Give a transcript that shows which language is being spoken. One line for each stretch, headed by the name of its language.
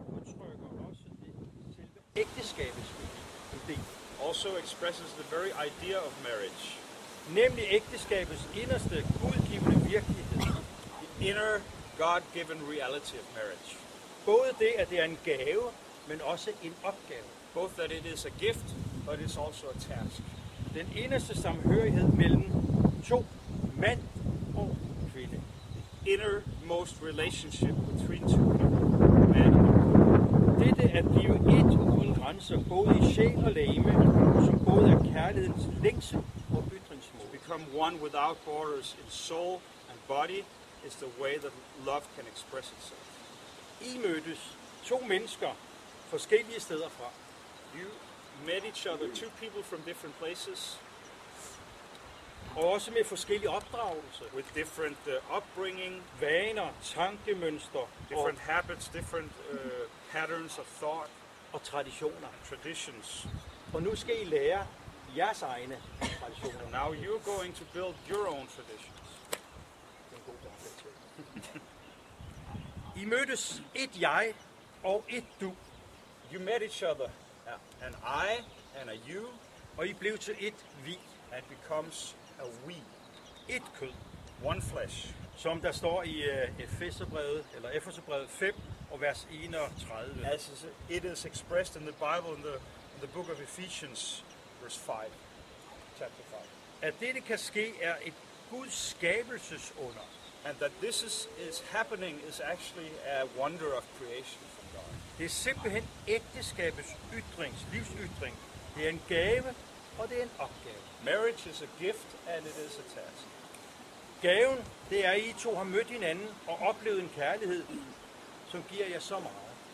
Danish: Udtrykker også det selve ægteskabets værdi.
English: Also expresses the very idea of marriage.
Danish: Nemlig ægteskabets inderste gudgivende virkelighed.
English: The inner God-given reality of marriage.
Danish: Både det, at det er en gave, men også en opgave.
English: Both that it is a gift, but it is also a task.
Danish: Den inderste samhørighed mellem to, mand
English: på, the innermost relationship between two people, man and woman.
Danish: Dette at blive et uden grænser, både i sjæl og lame, som både er kærlighedens længsel og ytringsmål.
English: To become one without borders in soul and body is the way that love can express itself.
Danish: I mødes to mennesker forskellige steder fra.
English: You met each other, two people from different places,
Danish: og også med forskellige opdragelser.
English: With different upbringing,
Danish: vaner, tankemønster,
English: different habits, different patterns of thought,
Danish: og traditioner.
English: And traditions.
Danish: Og nu skal I lære jeres egne traditioner.
English: And now you're going to build your own traditions.
Danish: I mødes et jeg og et du.
English: You met each other. Yeah. An I and a you.
Danish: Og I blev til et vi.
English: And becomes a we.
Danish: Et kød.
English: One flesh.
Danish: Som der står i Efeserbrevet 5 og vers 31.
English: As it is expressed in the Bible in the book of Ephesians, verse 5. Chapter 5.
Danish: At det kan ske er et Guds skabelsesunder.
English: And that this is happening is actually a wonder of creation from God.
Danish: Det er simpelthen ægteskabets ytring, livsytring. Det er en gave, og det er en opgave.
English: Marriage is a gift, and it is a task.
Danish: Gaven, det er, at I to har mødt hinanden og oplevet en kærlighed, som giver jer så meget.